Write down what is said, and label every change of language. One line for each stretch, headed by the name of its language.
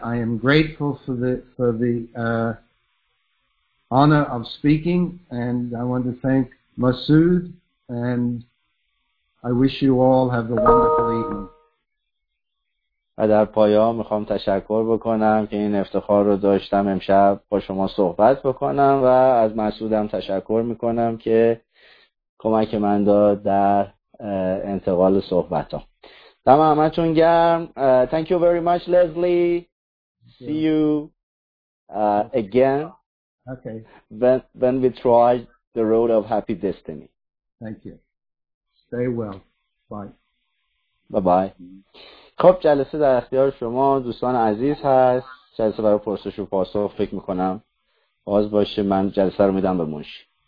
English: I am grateful for the honor of speaking, and I want to thank Masood, and I wish you all have a wonderful evening.
Persian: و در پایان میخوام تشکر بکنم که این افتخار رو داشتم امشب با شما صحبت بکنم و از مسعودم تشکر میکنم که کمک من داد در انتقال صحبتم. دم همتون گرم.
English: Thank you very much, Leslie. See you again. Okay. When we try the road of happy destiny. Thank you. Stay well. Bye. Bye-bye.
Persian: خب جلسه در اختیار شما دوستان عزیز هست. جلسه برای پرسش و پاسخ فکر میکنم باز باشه. من جلسه رو میدم به منشی.